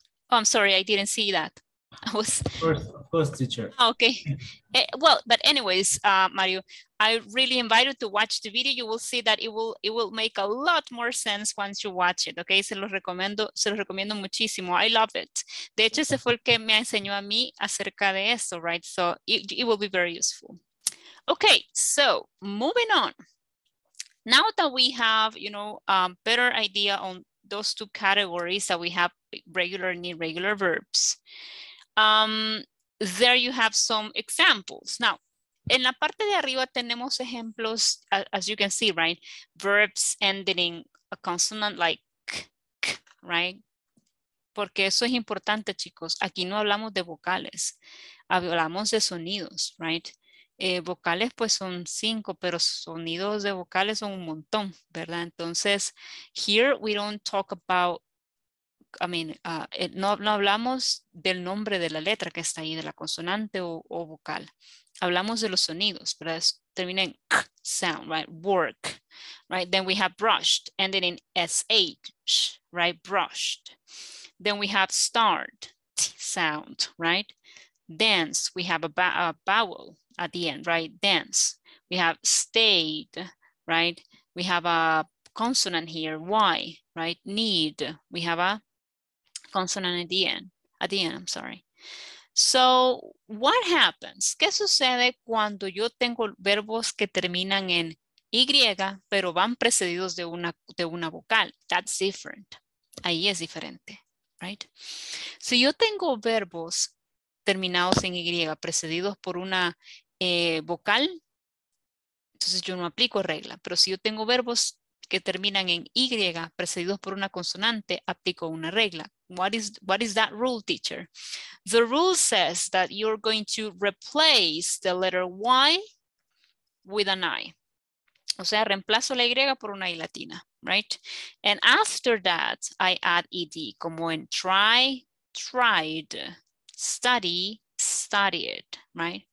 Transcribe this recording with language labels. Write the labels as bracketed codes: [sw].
[en] Oh, I'm sorry, I didn't see that. I was of course, teacher. Okay, well, but anyways, Mario, I really invite you to watch the video. You will see that it will make a lot more sense once you watch it. [es] Okay, se los recomiendo muchísimo. [en] I love it. [es] De hecho, ese fue el que me enseñó a mí acerca de eso, right? [en] So it will be very useful. Okay, so moving on. Now that we have, you know, a better idea on those two categories that we have, regular and irregular verbs, there you have some examples. Now, [es] en la parte de arriba tenemos ejemplos, [en] as you can see, [es] right? [en] Verbs ending in a consonant like k, right? [es] Porque eso es importante, chicos. Aquí no hablamos de vocales, hablamos de sonidos, right? Vocales pues son cinco, pero sonidos de vocales son un montón, ¿verdad? Entonces, [en] here we don't talk about, I mean, [es] no hablamos del nombre de la letra que está ahí, de la consonante o vocal. Hablamos de los sonidos, pero termina en k sound, right? [en] Work, right? Then we have brushed, ending in sh, right? Brushed. Then we have start, t sound, right? Dance, we have a vowel at the end, right? Dance. We have stayed, right? We have a consonant here, y, right? Need, we have a consonant at the end. At the end, I'm sorry. So what happens? [es] ¿Qué sucede cuando yo tengo verbos que terminan en Y, pero van precedidos de una vocal? [en] That's different. [es] Ahí es diferente, right? Si yo tengo verbos terminados en Y, precedidos por una vocal, entonces yo no aplico regla. Pero si yo tengo verbos que terminan en Y, precedidos por una consonante, aplico una regla. [en] What is that rule, teacher? The rule says that you're going to replace the letter Y with an I. [es] O sea, reemplazo la Y por una I latina, right? [en] And after that, I add ED, [es] como en try, tried, study, studied, right?